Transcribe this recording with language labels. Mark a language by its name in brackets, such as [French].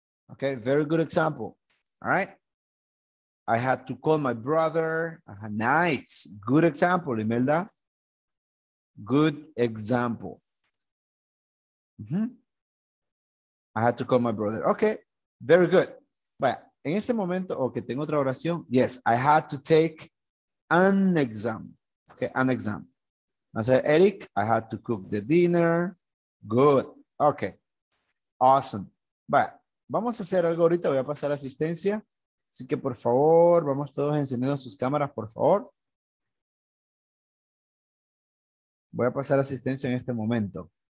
[English] Okay, very good example. All right. I had to call my brother. Nice. Good example, Imelda. Good example. Mm-hmm. I had to call my brother. Okay, very good. [Spanish] Vaya, en este momento, okay, tengo otra oración. [English] Yes, I had to take an exam. Okay, an exam. I said, Eric, I had to cook the dinner. Good. Okay. Awesome. [Spanish] Vaya, vamos a hacer algo ahorita. Voy a pasar asistencia. Así que, por favor, vamos todos encendiendo sus cámaras, por favor. Voy a pasar asistencia en este momento.